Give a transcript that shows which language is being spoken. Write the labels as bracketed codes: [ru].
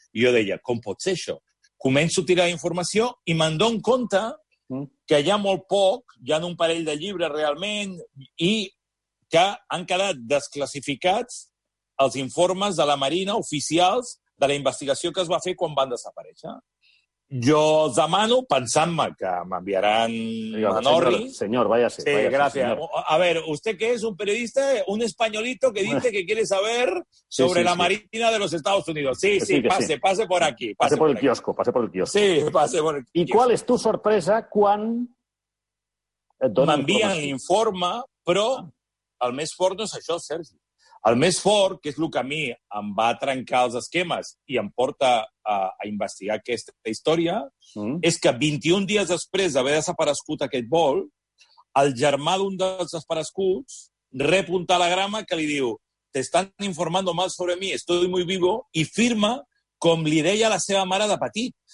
[ca] I jo deia, com pot ser això? Començo a tirar informació i me'n dono compte que hi ha molt poc, hi ha un parell de llibres realment, i que han quedat desclassificats els informes de la Marina oficials de la investigació que es va fer quan van desaparèixer. Jo els demano, pensant-me que m'enviaran a Norri... Senyor, vaya ser. Sí, gràcies. [es] A ver, ¿usted qué es? ¿Un periodista? ¿Un españolito que dice que quiere saber sobre la Marina de los Estados Unidos? Sí, pase por aquí. Pase por el kiosco. Sí, pase por el kiosco. ¿Y cuál es tu sorpresa [ca] quan... m'envien l'informe, però el més fort no és això, Sergi. El més fort, que és el que a mi em va trencar els esquemes i em porta a investigar aquesta història, és que 21 dies després d'haver desaparegut aquest vol, el germà d'un dels desapareguts rep un telegrama que li diu [es] «Te están informando mal sobre mí, estoy muy vivo», [ca] i firma com li deia la seva mare de petit.